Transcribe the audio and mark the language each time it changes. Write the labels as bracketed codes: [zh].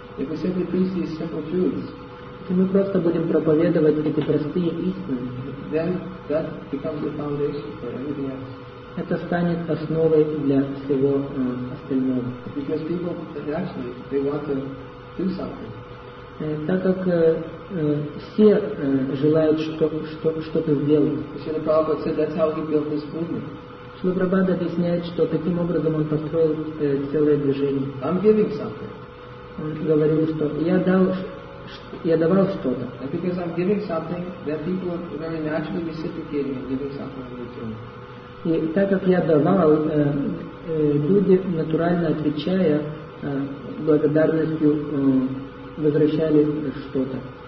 [ru] Если мы просто будем проповедовать эти простые истины, [en] then that becomes the foundation for everything else. [ru] Это станет основой для всего остального. [en] Because people actually they want to do something. [ru] Так как все желают что-то сделать. [en] Шрила Прабхупада said that's how he built this movement. [ru] Шрила Прабхупада объясняет, что таким образом он построил целое движение. [en] I'm giving something. [ru] Он говорил, что я давал что-то. [en] And because I'm giving something, then people are very naturally reciprocating and giving something in return. [ru] И так как я давал, люди, натурально отвечая благодарностью, возвращали что-то.